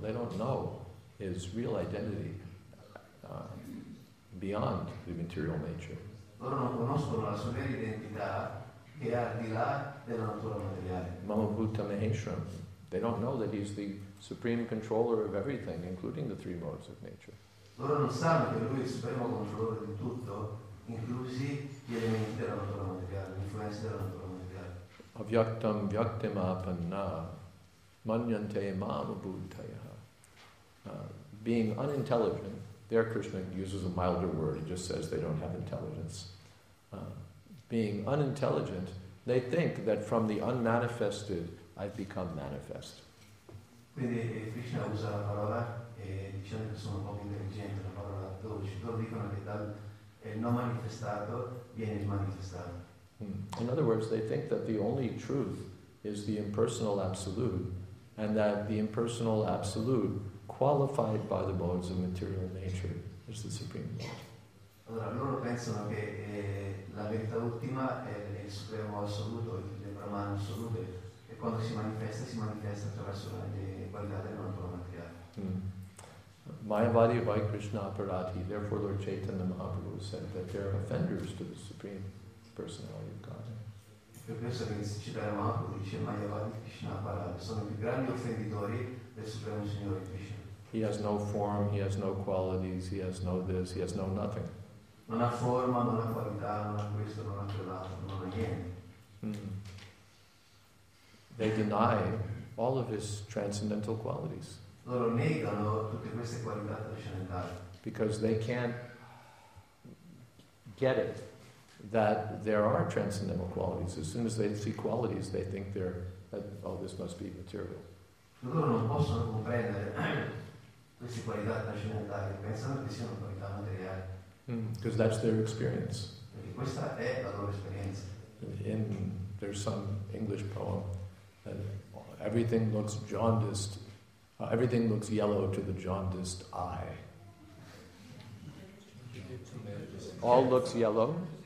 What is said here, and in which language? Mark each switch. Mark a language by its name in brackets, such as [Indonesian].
[English] They don't know his real identity beyond the material nature. [Italian] Loro non conoscono la sua vera identità che è al di là della natura materiale. [Sanskrit] Mahabhuta Maheshram. [English] They don't know that he's the supreme controller of everything, including the three modes of nature. [Italian] Loro non sanno che lui è il supremo controllore di tutto, inclusi gli elementi della natura materiale, l'influenza della natura materiale. [Sanskrit] Avyaktam vyaktima panna manyante mamabhutayaha. [English] Being unintelligent, there Krishna uses a milder word, he just says they don't have intelligence. Being unintelligent, they think that from the unmanifested, I've become manifest. [Italian] Quindi Krishna usa la parola e dicendo che sono un po' più intelligente, la parola dolce, loro dicono che dal non manifestato viene il manifestato. [English] In other words, they think that the only truth is the impersonal absolute, and that the impersonal absolute, qualified by the modes of material nature, is the supreme mode. [Italian] Allora loro pensano che la verità ultima è il supremo assoluto, il Brahman assoluto. E quando si manifesta attraverso le qualità del mondo materiale. [Sanskrit] Mayavadi Vai Krishna Aparati, [English] therefore Lord Chaitanya Mahaprabhu said that they are offenders to the Supreme Personality of God. [Italian] Per questo che si cita Mahaprabhu, dice [Sanskrit] Mayavadi Krishna Aparati, [Italian] sono i grandi offenditori del Supremo Signore Krishna. [English] He has no form, he has no qualities, he has no this, he has no nothing. [Italian] Non ha forma, non ha qualità, non ha questo, non ha quell'altro, non ha niente. [English] They deny all of his transcendental qualities. [Italian] Loro negano tutte queste qualità trascendentali. [English] Because they can't get it that there are transcendental qualities. As soon as they see qualities, they think they're that oh, this must be material. [Italian] Loro non possono comprendere queste qualità trascendentali. Pensano che siano qualità materiali. [English] Because that's their experience. [Italian] Perché questa è la loro esperienza. [English] In there's some English poem. Everything looks jaundiced, everything looks yellow to the jaundiced eye. All looks yellow.